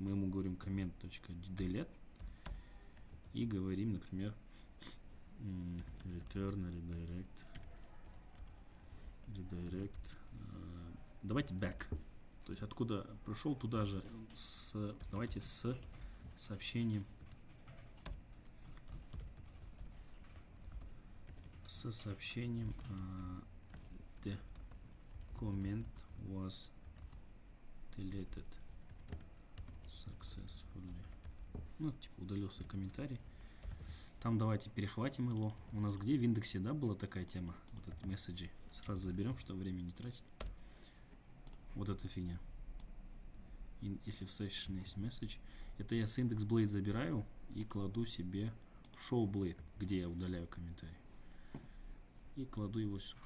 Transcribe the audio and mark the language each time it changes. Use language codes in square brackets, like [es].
[ru] Мы ему говорим коммент.delete. И говорим, например, return redirect. Redirect. Давайте back. То есть откуда пришел, туда же с, давайте с сообщением. С сообщением [en] the comment was deleted successfully. [ru] Ну, типа удалился комментарий. Там давайте перехватим его. У нас где? В индексе, да, была такая тема? Вот этот месседжи. Сразу заберем, чтобы время не тратить. Вот эта фигня. Если в session есть message. Это я с индекс blade забираю и кладу себе в show blade, где я удаляю комментарий. И кладу его сюда.